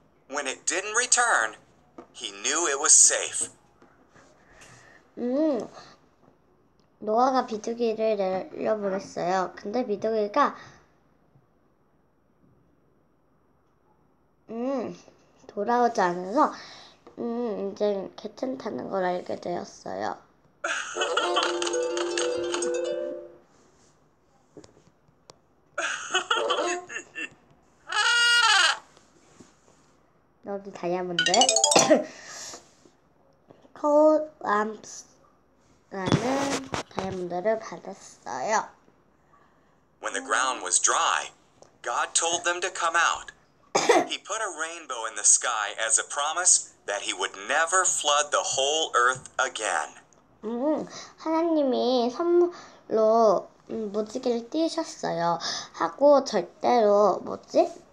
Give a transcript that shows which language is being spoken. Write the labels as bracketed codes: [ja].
[en] When it didn't return, he knew it was safe. [ko] 노아가 비둘기를 내려보냈어요. 근데 비둘기가 돌아오지 않아서 이제 괜찮다는 걸 알게 되었어요. 여기 다이아몬드 Cold Lamps라는 다이아몬드를 받았어요. [en] When the ground was dry, God told them to come out. He put a rainbow in the sky as a promise that he would never flood the whole earth again. [ko] 하나님이 선물로 무지개를 띄셨어요. 하고 절대로 뭐지?